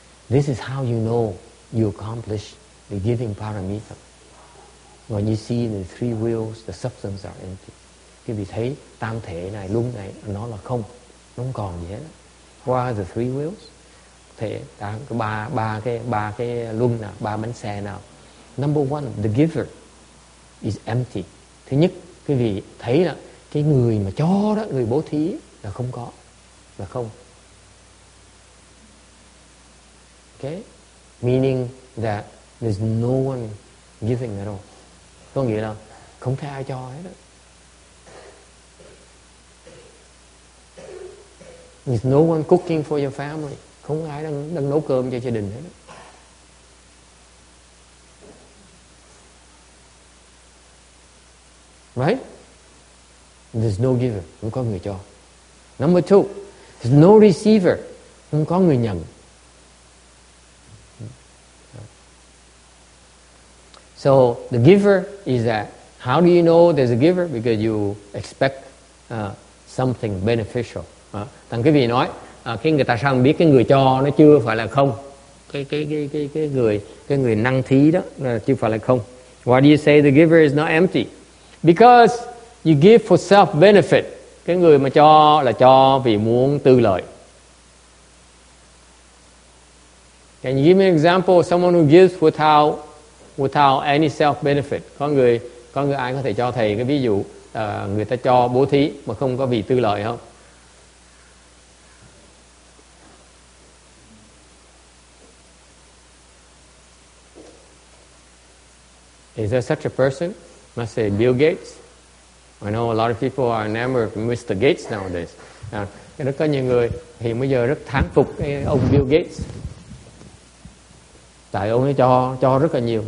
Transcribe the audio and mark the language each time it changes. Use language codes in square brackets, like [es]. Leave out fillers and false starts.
[en] This is how you know you accomplish the giving paramita. When you see the three wheels, the substance are empty. [vi] Quý vị thấy tam thể này, luân này, nó là không, nó không còn gì hết. [en] What are the three wheels? [vi] Thể ba cái luân nào, ba bánh xe nào. [en] Number one, the giver is empty. [vi] Thứ nhất, quý vị thấy là cái người mà cho đó, người bố thí là không có, là không. [en] Okay, meaning that there's no one giving at all. [vi] Có nghĩa là không thấy ai cho hết đó. [en] There's no one cooking for your family. [vi] Không ai đang đang nấu cơm cho gia đình hết. [en] Right? There's no giver. [vi] Không có người cho. [en] Number two, there's no receiver. [vi] Không có người nhận. [en] So the giver is that. How do you know there's a giver? Because you expect something beneficial. [vi] Thằng quý vị nói khi người ta sang biết cái người cho nó chưa phải là không, cái người năng thí đó là chưa phải là không. [en] Why do you say the giver is not empty? Because you give for self benefit. [vi] Cái người mà cho là cho vì muốn tư lợi. [en] Can you give me an example of someone who gives without any self benefit? [vi] Có người ai có thể cho thầy cái ví dụ người ta cho bố thí mà không có vì tư lợi không? [en] Is there such a person? Must say Bill Gates. I know a lot of people are enamored with Mr. Gates nowadays. [vi] Rất có nhiều người hiện bây giờ rất thán phục ông Bill Gates. Tại ông ấy cho rất là nhiều.